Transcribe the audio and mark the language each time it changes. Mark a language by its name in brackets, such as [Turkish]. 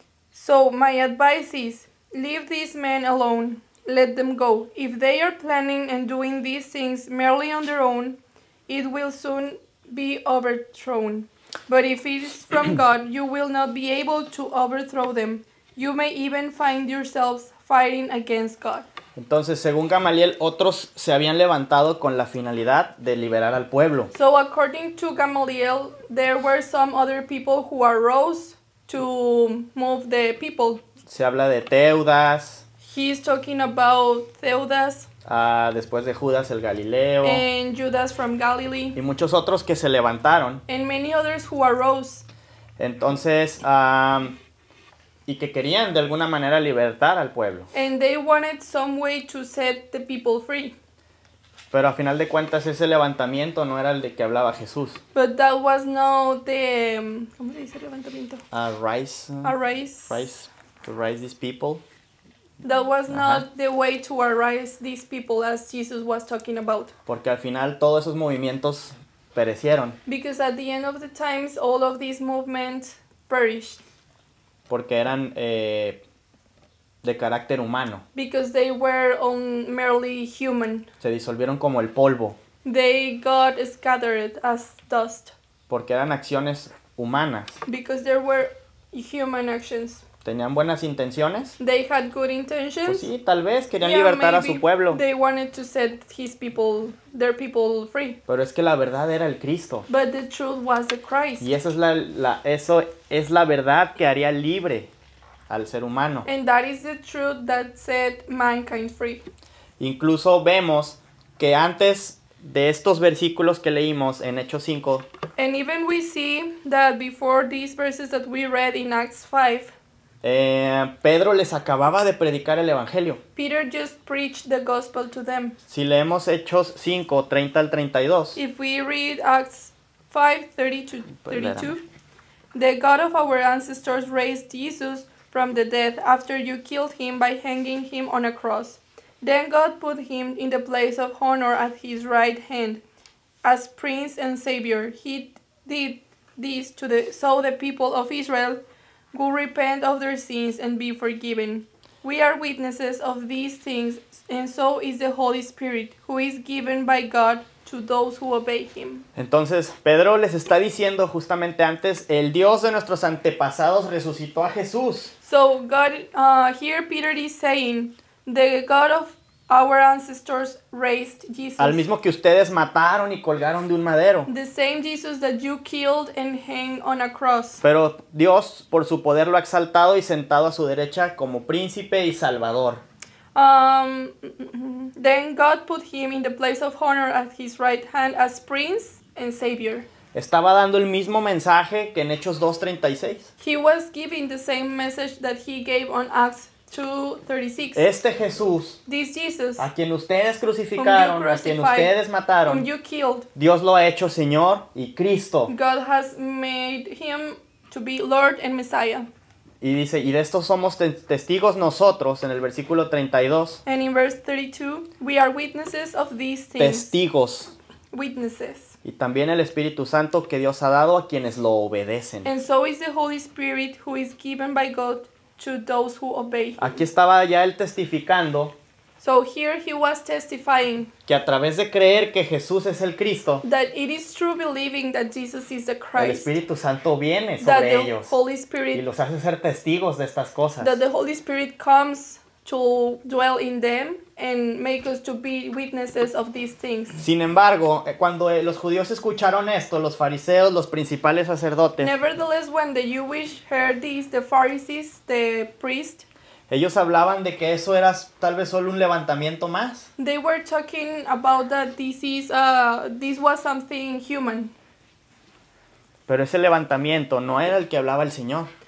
[English] So my advice is, leave these men alone. Let them go. If they are planning and doing these things merely on their own, it will soon be overthrown. But if it is from God, you will not be able to overthrow them. You may even find yourselves fighting against God. [Spanish] Entonces, según Gamaliel, otros se habían levantado con la finalidad de liberar al pueblo. [English] So, according to Gamaliel, there were some other people who arose to move the people. [Spanish] Se habla de Theudas. [English] He's talking about Theudas. [Spanish] Después de Judas el Galileo. [English] And Judas from Galilee. [Spanish] Y muchos otros que se levantaron. [English] And many others who arose. [Spanish] Entonces, y que querían de alguna manera libertar al pueblo. [English] And they wanted some way to set the people free. [Spanish] Pero a final de cuentas ese levantamiento no era el de que hablaba Jesús. [English] But that was not the [Spanish] ¿cómo se dice levantamiento? [English] Arise. Arise. Rise to rise these people. That was not the way to arise these people as Jesus was talking about. [Spanish] Porque al final todos esos movimientos perecieron. [English] Because at the end of the times, all of these movements perished. [Spanish] Porque eran de carácter humano. [English] Because they were merely human. [Spanish] Se disolvieron como el polvo. [English] They got scattered as dust. [Spanish] Porque eran acciones humanas. [English] Because there were human actions. [Spanish] Tenían buenas intenciones. [English] They had good intentions. [Spanish] Pues sí, tal vez querían libertar a su pueblo. [English] They wanted to set his people, their people free. [Spanish] Pero es que la verdad era el Cristo. [English] But the truth was the Christ. [Spanish] Y esa es eso es la verdad que haría libre al ser humano. [English] And that is the truth that set mankind free. [Spanish] Incluso vemos que antes de estos versículos que leímos en Hechos 5. [English] And even we see that before these verses that we read in Acts 5. [Spanish] Pedro les acababa de predicar el evangelio. [English] Peter just preached the gospel to them. [Spanish] Si leemos Hechos 5, 30 al 32. [English] If we read Acts 5, 30 to 32. The God of our ancestors raised Jesus from the dead after you killed him by hanging him on a cross. Then God put him in the place of honor at his right hand. As prince and savior, he did this so the people of Israel will repent of their sins and be forgiven. We are witnesses of these things, and so is the Holy Spirit, who is given by God to those who obey him. [Spanish] Entonces, Pedro les está diciendo justamente antes, el Dios de nuestros antepasados resucitó a Jesús. [English] So, God, here Peter is saying, the God of our ancestors raised Jesus. [Spanish] Al mismo que ustedes mataron y colgaron de un madero. [English] The same Jesus that you killed and hang on a cross. [Spanish] Pero Dios, por su poder, lo ha exaltado y sentado a su derecha como príncipe y salvador. [English] Then God put him in the place of honor at his right hand as prince and savior. [Spanish] Estaba dando el mismo mensaje que en Hechos 2:36. [English] He was giving the same message that he gave on Acts 2:36. [Spanish] Este Jesús, [English] this Jesus, [Spanish] a quien ustedes crucificaron, a quien ustedes mataron, [English] whom you killed, [Spanish] Dios lo ha hecho Señor y Cristo. [English] God has made him to be Lord and Messiah. [Spanish] Y dice, y de esto somos testigos nosotros, en el versículo 32. [English] And in verse 32, we are witnesses of these things. [Spanish] Testigos. [English] Witnesses. [Spanish] Y también el Espíritu Santo que Dios ha dado a quienes lo obedecen. [English] And so is the Holy Spirit who is given by God to those who obey him. [Spanish] Aquí estaba ya él testificando. [English] So here he was testifying. [Spanish] Que a través de creer que Jesús es el Cristo. [English] That it is true believing that Jesus is the Christ. [Spanish] El Espíritu Santo viene sobre ellos. [English] That the Holy Spirit. [Spanish] Y los hace ser testigos de estas cosas. [English] That the Holy Spirit comes to dwell in them and make us to be witnesses of these things. [Spanish] Sin embargo, cuando los judíos escucharon esto, los fariseos, los principales sacerdotes. [English] Nevertheless, when the Jews heard this, the Pharisees, the priest. [Spanish] Ellos hablaban de que eso era tal vez solo un levantamiento más. [English] They were talking about that this was something human. [Spanish] Pero ese levantamiento no era el que hablaba el Señor.